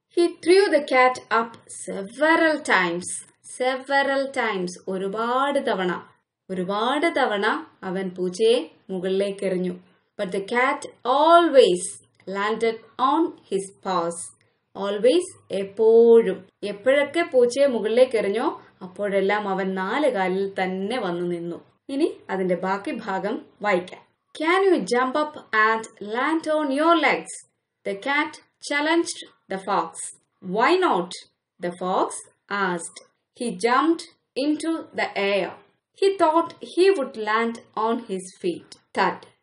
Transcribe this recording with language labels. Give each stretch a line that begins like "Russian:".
English: He threw the cat up several times. Several times.
Malayalam: ഒരുപാട് തവണ. ഒരുപാട് തവണ അവൻ പൂച്ചയെ മുകളിലേക്ക് എറിഞ്ഞു.
English: But the cat always landed on his paws. Always,
Malayalam: എപ്പോഴും. എപ്പോഴൊക്കെ പൂച്ചയെ മുകളിലേക്ക് എറിഞ്ഞോ അപ്പോഴെല്ലാം അവൻ നാല് കാലിൽ തന്നെ വന്നു നിന്നു. ഇനി അതിന്റെ ബാക്കി ഭാഗം വായിക്കാം.
English: Can you jump up and land on your legs? The cat challenged the fox. Why not? The fox asked. He jumped into the air. He thought he would land on his feet. Thud!